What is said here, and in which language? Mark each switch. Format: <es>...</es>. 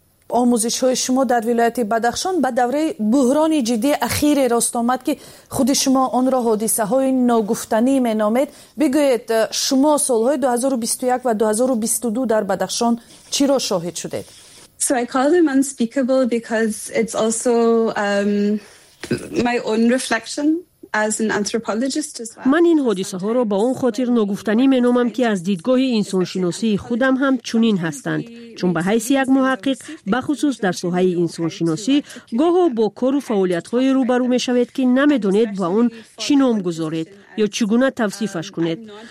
<fa>آموزش های شما در ولایت بدخشان به دوره بحران جدی اخیر راست آمد که خود شما آن را حادثه های ناگفتنی می نامید. بگوید شما سال های 2021 و 2022 در بدخشان چی را شاهد شدید؟</fa> <en>So I call them unspeakable because it's also my own reflection.</en> <fa>من این حادثه ها را با اون خاطر ناگفتنی می نامم که از دیدگاه انسانشناسی خودم هم چنین هستند، چون به حیث یک محقق بخصوص در ساحه انسانشناسی گاه و با کار و فعالیت های روبرو می شوید که نمی دانید با اون چی نام گذارید یا چگونه توصیفش کنید.</fa>